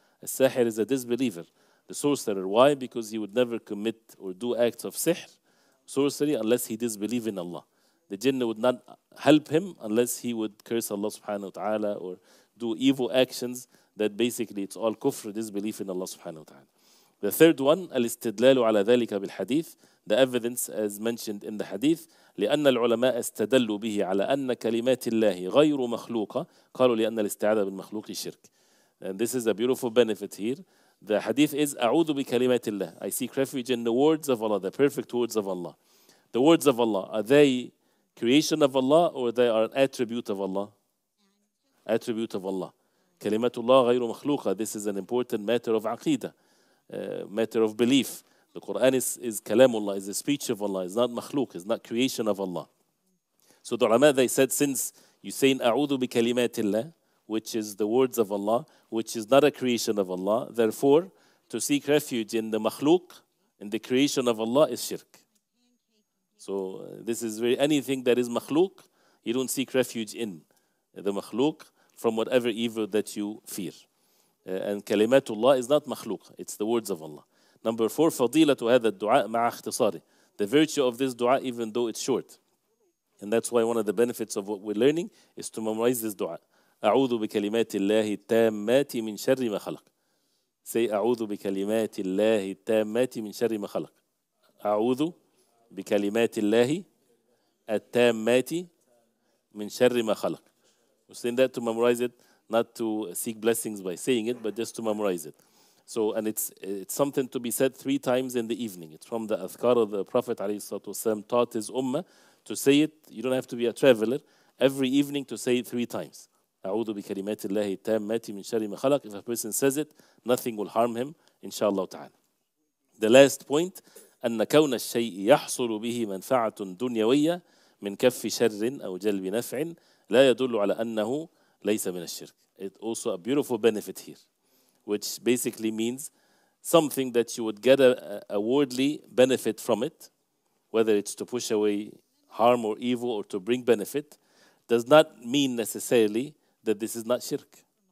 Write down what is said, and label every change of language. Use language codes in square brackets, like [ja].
[en] A sahir is a disbeliever, the sorcerer. Why? Because he would never commit or do acts of sihr, sorcery, unless he disbelieved in Allah. The jinn would not help him unless he would curse Allah subhanahu wa ta'ala or do evil actions, that basically it's all kufr, disbelief in Allah subhanahu wa ta'ala. The third one, [ar] al-istidlalu ala dhalika bil-hadith, [en] the evidence as mentioned in the hadith, [ar] لِأَنَّ الْعُلَمَاءَ اسْتَدَلُّوا بِهِ عَلَى أَنَّ كَلِمَاتِ اللَّهِ غَيْرُ مَخْلُوقَ قَالُوا لِأَنَّ الْاِسْتِعَادَ بِالْمَخْلُوقِ شِرْكِ. [en] And this is a beautiful benefit here. The hadith is, [ar] أَعُوذُ بِكَلِمَاتِ اللَّهِ, [en] I seek refuge in the words of Allah, the perfect words of Allah. The words of Allah, are they creation of Allah or they are an attribute of Allah? Attribute of Allah. [ar] كَلِمَاتُ اللَّهِ غَيْرُ مَخْلُوقَ. [en] This is an important matter of aqidah, matter of belief. The Qur'an is kalamullah, is the speech of Allah, is not makhluq, is not creation of Allah. So the ulama, they said, since you're saying [ar] أَعُوذُ بِكَلِمَاتِ اللَّهِ, [en] which is the words of Allah, which is not a creation of Allah, therefore, to seek refuge in the makhluq, in the creation of Allah, is shirk. So this is very, anything that is makhluq, you don't seek refuge in the makhluq from whatever evil that you fear. And kalimatullah is not makhluq, it's the words of Allah. Number four, [ar] فضيلة هذا الدعاء مع اختصاره, [en] the virtue of this dua, even though it's short. And that's why one of the benefits of what we're learning is to memorize this dua. [ar] أعوذ بكلمات الله التامات من شر ما خلق. [en] Say, [ar] أعوذ بكلمات الله التامات من شر ما خلق. أعوذ بكلمات الله التامات من شر ما خلق. [en] We're saying that to memorize it, not to seek blessings by saying it, but just to memorize it. So, and it's something to be said 3 times in the evening. It's from the Azkar of the Prophet ﷺ, taught his ummah to say it. You don't have to be a traveler. Every evening to say it 3 times. [ar] أَعُوذُ بِكَلِمَاتِ اللَّهِ التَّامَّاتِ مِنْ شَرِّ مَا خَلَقٍ. [en] If a person says it, nothing will harm him, inshallah ta'ala. The last point, [ar] أَنَّ كَوْنَ الشَّيْءِ يَحْصُلُ بِهِ مَنْفَعَةٌ دُنْيَوِيَّةٌ مِنْ كَفِّ شَرٍ أَوْ جَلْبِ نَفْعٍ لَا يَدُلُّ عَلَى أَنَّهُ لَيْسَ مِنَ الشِّرْكِ. [en] It's also a beautiful benefit here, which basically means something that you would get a worldly benefit from it, whether it's to push away harm or evil or to bring benefit, does not mean necessarily that this is not shirk.